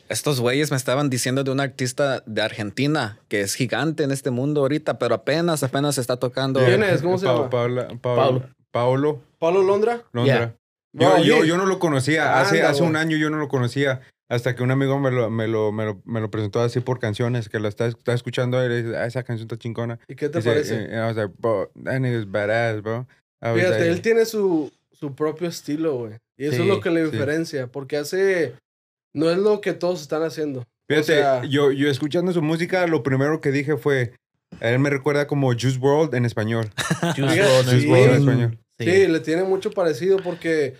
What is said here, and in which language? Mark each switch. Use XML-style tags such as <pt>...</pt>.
<es>Estos güeyes me estaban diciendo de un artista de Argentina que es gigante en este mundo ahorita, pero apenas está tocando... ¿Quién es? ¿Cómo se llama? Paolo. ¿Paolo Londra? Londra. Yeah. Yo no lo conocía. Hace un año yo no lo conocía. Hasta que un amigo me lo presentó así por canciones, que lo está escuchando y le dice, esa canción está chingona. ¿Y qué te parece?</es> <en>Y I was like, bro, that nigga's badass, bro.</en> <es>Fíjate, él tiene su propio estilo, güey. Y eso es lo que le diferencia, porque hace... No es lo que todos están haciendo. Fíjate, o sea, yo escuchando su música, lo primero que dije fue, él me recuerda como Juice WRLD en español. Juice WRLD en español. Sí, le tiene mucho parecido porque...</es>